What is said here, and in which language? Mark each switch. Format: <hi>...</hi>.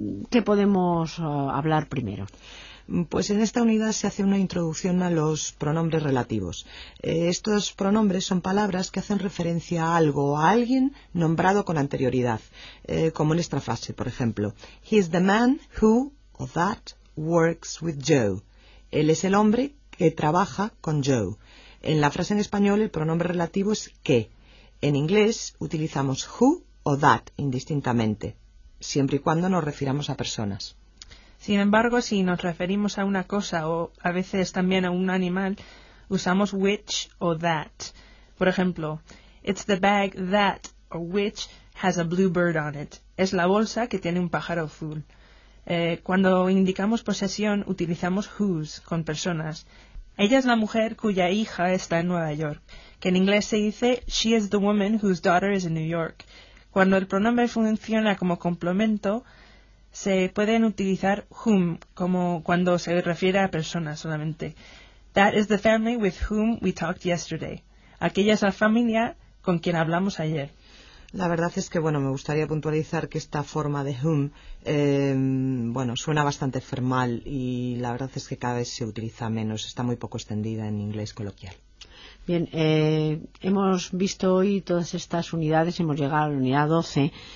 <es>¿Qué podemos hablar primero? Pues en esta unidad se hace una introducción a los pronombres relativos. Estos pronombres son palabras que hacen referencia a algo o a alguien nombrado con anterioridad, como en esta frase, por ejemplo.</es> <en>He's the man who or that works with Joe.</en> <es>Él es el hombre que trabaja con Joe. En la frase en español el pronombre relativo es que. En inglés utilizamos who o that indistintamente, siempre y cuando nos refiramos a personas. Sin embargo, si nos referimos a una cosa o a veces también a un animal, usamos which o that. Por ejemplo,</es> <en>it's the bag that or which has a blue bird on it.</en> <es>Es la bolsa que tiene un pájaro azul. Cuando indicamos posesión, utilizamos whose con personas. Ella es la mujer cuya hija está en Nueva York, que en inglés se dice</es> <en>she is the woman whose daughter is in New York.</en> <es>Cuando el pronombre funciona como complemento, se pueden utilizar whom, como cuando se refiere a personas solamente.</es> <en>That is the family with whom we talked yesterday.</en> <es>Aquella es la familia con quien hablamos ayer. La verdad es que, bueno, me gustaría puntualizar que esta forma de whom, bueno, suena bastante formal y la verdad es que cada vez se utiliza menos, está muy poco extendida en inglés coloquial. Bien, hemos visto hoy todas estas unidades, hemos llegado a la unidad 12.</es>